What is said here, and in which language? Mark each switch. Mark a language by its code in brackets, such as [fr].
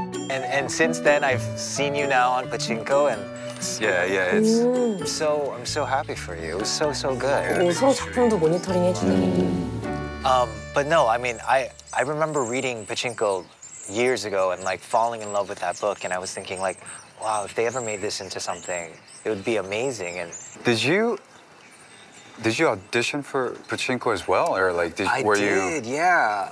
[en] And since then, I've seen you now on Pachinko. And Yeah, yeah, it's so, I'm so happy for you. It was so, so good. [ko] 오, 서로 작품도 모니터링 해주네. [en] But no, I mean, I remember reading Pachinko years ago and like falling in love with that book. And I was thinking like, wow, if they ever made this into something, it would be amazing. And did you audition for Pachinko as well? Or like, did, were did, you? I did, yeah.